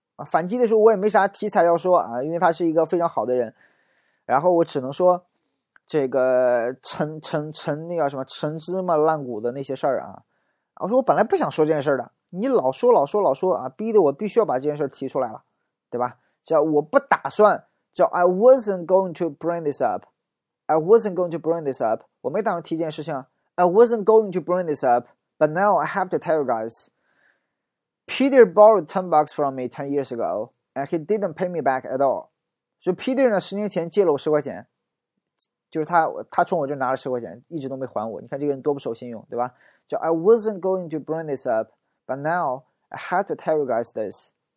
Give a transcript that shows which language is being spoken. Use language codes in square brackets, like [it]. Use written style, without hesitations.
[zh] 反击的时候我也没啥题材要说啊，因为他是一个非常好的人，然后我只能说这个陈那个什么陈芝麻烂谷的那些事儿啊。我说我本来不想说这件事的，你老说啊，逼得我必须要把这件事提出来了，对吧？叫我不打算。叫 [en] I wasn't going to bring this up. I wasn't going to bring this up. [zh] 我没打算提这件事情啊。 [en] I wasn't going to bring this up, but now I have to tell you guys. Peter borrowed $10 from me 10 years ago, and he didn't pay me back at all. [zh] 就 Peter 呢，十年前借了我10块钱，就是他从我这拿了10块钱，一直都没还我。你看这个人多不守信用，对吧？叫 [en] I wasn't going to bring this up, but now I have to tell you guys this.